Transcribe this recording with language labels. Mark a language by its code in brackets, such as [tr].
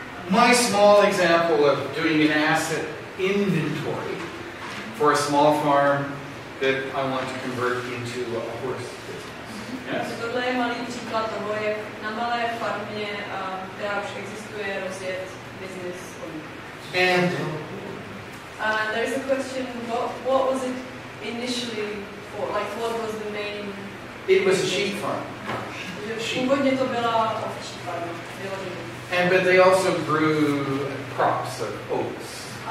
[en] My small example of doing an asset inventory for a small farm that I want to convert into a horse business. Yes. [cs] Tohle je malý příklad toho, jak na malé farmě, která už existuje, rozjet business. [en] And there is a question, what was it initially for? Like, what was the main... It was a sheep farm. [cs] Původně to byla ovčí farma, bylo to. [en] And but they also grew crops of oats.